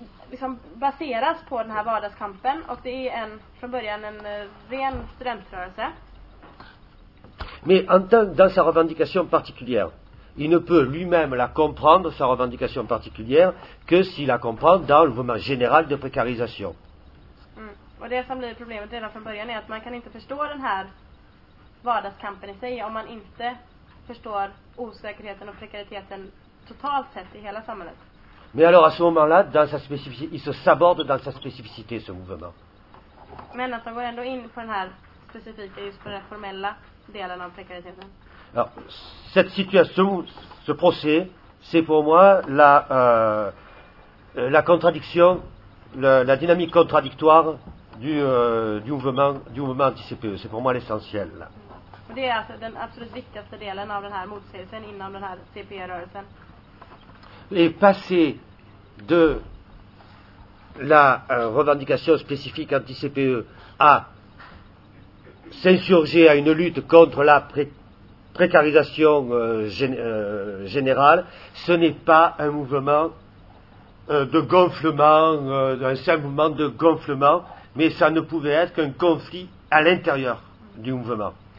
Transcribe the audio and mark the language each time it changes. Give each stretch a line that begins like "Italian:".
Swedish: Liksom baseras på den här vardagskampen, och det är från början en ren studentrörelse.
French: Mais en tant dans sa revendication particulière, il ne peut lui-même la comprendre, sa revendication particulière, que s'il la comprend dans le mouvement général de précarisation.
Swedish: Och det som blir problemet redan från början är att man kan inte förstå den här vardagskampen i sig om man inte förstår osäkerheten och prekariteten totalt sett i hela samhället.
French: Mais alors à ce moment-là, dans sa spécificité, il se saborde dans sa spécificité ce mouvement.
Swedish: Men alltså går ändå in på den här specifika, just på den formella delen av prekariteten.
French: Alors, cette situation, ce procès, c'est pour moi la contradiction, la dynamique contradictoire du mouvement anti-CPE. C'est pour moi l'essentiel.
Swedish: Det är alltså den absolut viktigaste delen av den här motsägelsen inom den här CPE-rörelsen.
French: Et passer de la revendication spécifique anti-CPE à s'insurger à une lutte contre la précarisation générale, ce n'est pas un mouvement de gonflement, un simple mouvement de gonflement, mais ça ne pouvait être qu'un conflit à l'intérieur du mouvement.